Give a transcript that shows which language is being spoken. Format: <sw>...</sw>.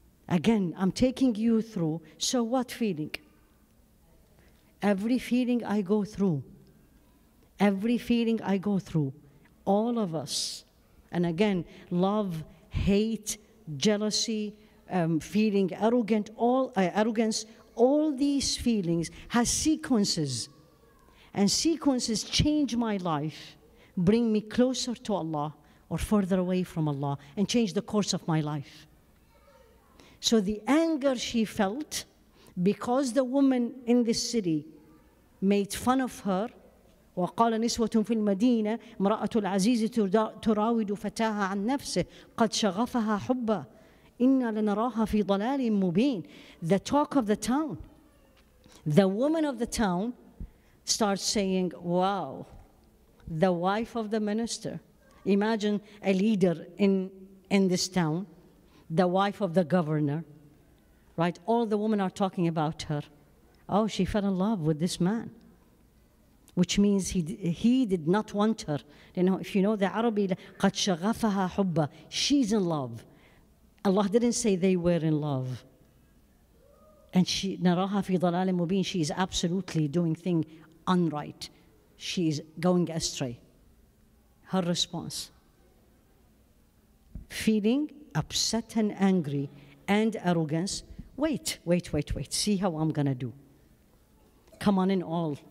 <en>Again, I'm taking you through, so what feeling? Every feeling I go through, every feeling I go through, all of us, and again, love, hate, jealousy, feeling arrogant, arrogance, all these feelings has sequences, and sequences change my life, bring me closer to Allah or further away from Allah, and change the course of my life. So the anger she felt because the woman in this city made fun of her.</en> <ar>وقال نسوة في المدينة امرأة العزيز تراود فتاها عن نفسه قد شغفها حبا إنا لنراها في ضلال مبين.</ar> <en>The talk of the town, the woman of the town starts saying, wow, the wife of the minister, imagine a leader in this town, the wife of the governor, right? All the women are talking about her. Oh, she fell in love with this man. Which means he did not want her. You know, if you know the Arabic,</en> <ar>قَدْ شَغَفَهَا حُبَّ.</ar> <en>She's in love. Allah didn't say they were in love. And she,</en> <ar>نَرَاهَا فِي ضَلَالٍ مُبِينٍ.</ar> <en>She is absolutely doing things unright. She is going astray. Her response. Feeling upset and angry and arrogance. Wait. See how I'm going to do. Come on in all.</en>